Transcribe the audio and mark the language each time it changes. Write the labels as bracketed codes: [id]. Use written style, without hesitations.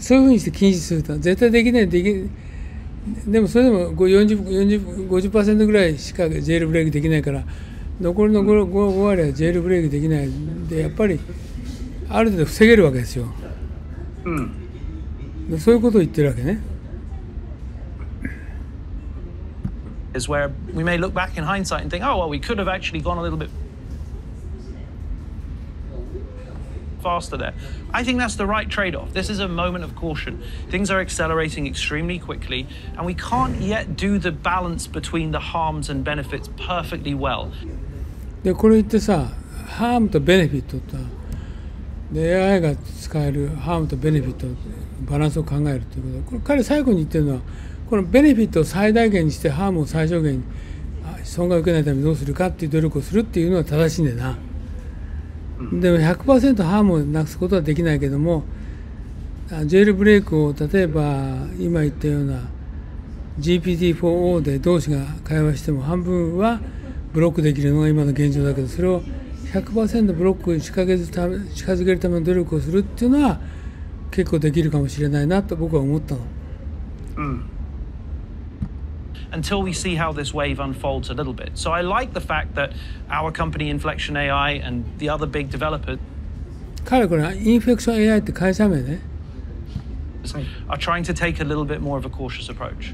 [ja] そういうふうにして禁止すると絶対できないできでもそれでも 50% ぐらいしかジェイルブレイクできないから残りの 5割はジェイルブレイクできないでやっぱりある程度防げるわけですよ、うん、そういうことを言ってるわけね [en] Is where we may look back in hindsight and think, oh, well, we could have actually gone a little bit faster there. I think that's the right trade-off. This is a moment of caution. Things are accelerating extremely quickly, and we can't yet do the balance between the harms and benefits perfectly well. [ja] で、これ言ってさ、ハームとベネフィットと、で、AIが使えるハームとベネフィットのバランスを考えるということ。これ、彼最後に言ってるのは、このベネフィットを最大限にしてハームを最小限に損害を受けないためにどうするかっていう努力をするっていうのは正しいんだよな。でも 100% ハームをなくすことはできないけども、ジェルブレイクを例えば今言ったような GPT-4O で同士が会話しても半分はブロックできるのが今の現状だけど、それを 100% ブロックに近づけるための努力をするっていうのは結構できるかもしれないなと僕は思ったの。うん。 [en] Until we see how this wave unfolds a little bit. So I like the fact that our company Inflection AI and the other big developer [ja] 彼これ Inflection AI って会社名ね、 [en] are trying to take a little bit more of a cautious approach.